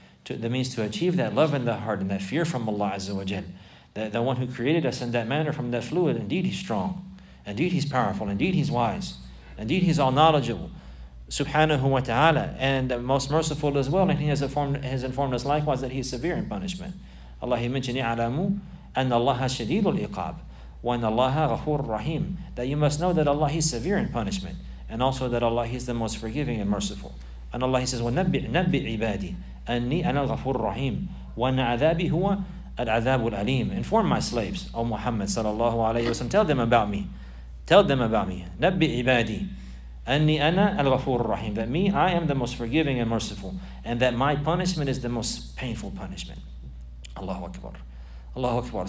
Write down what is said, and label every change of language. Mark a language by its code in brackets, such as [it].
[en] The means to achieve that love in the heart and that fear from Allah Azza wa Jal. The one who created us in that manner from that fluid, indeed He's strong. Indeed He's powerful. Indeed He's wise. Indeed He's all knowledgeable. Subhanahu wa ta'ala. And most merciful as well. And He has informed us likewise that He is severe in punishment. Allah, He mentioned, [ar] يَعْلَمُ أَنَّ اللَّهَ شَدِيدُ الْإِقَابِ وَأَنَّ اللَّهَ غَفُورٌ رَحِيمٌ. [en] That you must know that Allah, He's severe in punishment. And also that Allah, He is the most forgiving and merciful. And Allah, He says, [ar] وَنَبِّئْ عِبَادِي أَنِّي أَنَا الْغَفُورُ الرَّحِيمُ وَأَنَّ عَذَابِي هُوَ الْعَذَابُ الْعَلِيمُ. [en] Inform my slaves, O Muhammad sallallahu alayhi wa sallam, tell them about me. [ar] نَبِّئْ عِبَادِي أَنِّي أَنَا الْغَفُورُ الرَّحِيمُ. [en] That me, I am the most forgiving and merciful. And that my punishment is the most painful punishment. Allahu Akbar. Allahu Akbar.